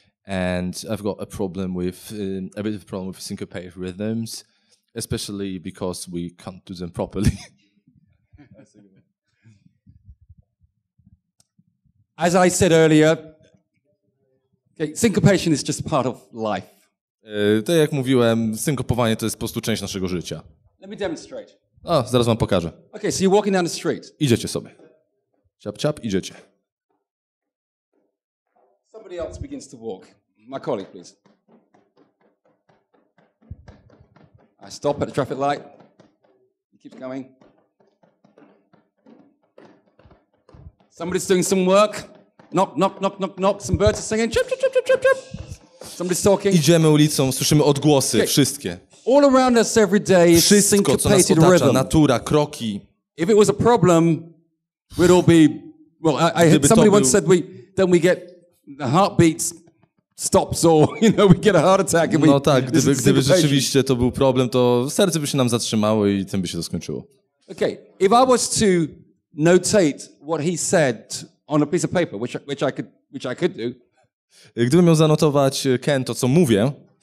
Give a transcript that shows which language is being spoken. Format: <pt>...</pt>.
<en>And I've got a bit of a problem with syncopated rhythms, especially because we can't do them properly. As I said earlier, okay, syncopation is just part of life.</en> <pl>Tak jak mówiłem, synkopowanie to jest po prostu część naszego życia.</pl> <en>Let me demonstrate.</en> <pl>O, zaraz wam pokażę.</pl> <en>Okay, so you're walking down the street.</en> <pl>Idziecie sobie. Ciap, ciap, idziecie.</pl> <en>Somebody else begins to walk. My colleague, please. I stop at a traffic light. He keeps going. Somebody's doing some work. Knock, knock, knock, knock, knock. Some birds are singing. Chirp, chirp, chirp, chirp, chirp. Somebody's talking.</en> <pl>Idziemy ulicą, słyszymy odgłosy, okay. Wszystkie.</pl> <en>All around us every day is</en> <pl>wszystko,</pl> <en>syncopated</en> <pl>co nas otacza,</pl> <en>rhythm.</en> <pl>Natura, kroki.</pl> <en>If it was a problem, we'd all be... Well, I had somebody once said, we get... The heartbeat stops, or you know, we get a heart attack. And</en> <pl>no tak, gdyby rzeczywiście to był problem, to serce by się nam zatrzymało i tym by się to skończyło.</pl> <en>Okay, if I was to notate what he said on a piece of paper, which I could do.</en> <pl>Gdybym miał zanotować Ken to co mówię.</pl>